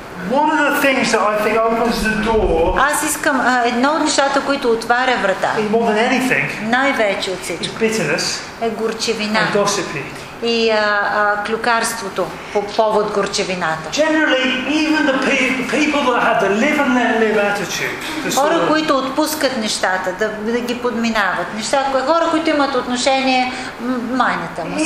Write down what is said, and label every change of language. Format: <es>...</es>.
<en>One of the things that I think opens the door.</en> <bg>Аз искам едно от нещата, които отваря врата.</bg> <en>More than anything.</en> <bg>Най-вече от всичко.</bg> <en>Bitterness.</en> <bg>Е горчивина.</bg> <en>And gossip.</en> <bg>И клюкарството по повод горчевината.</bg> <en>Generally, even the people that have the live and let live attitude.</en> <bg>Хора, които отпускат нещата, да ги подминават. Хора, които имат отношение майната му с</bg>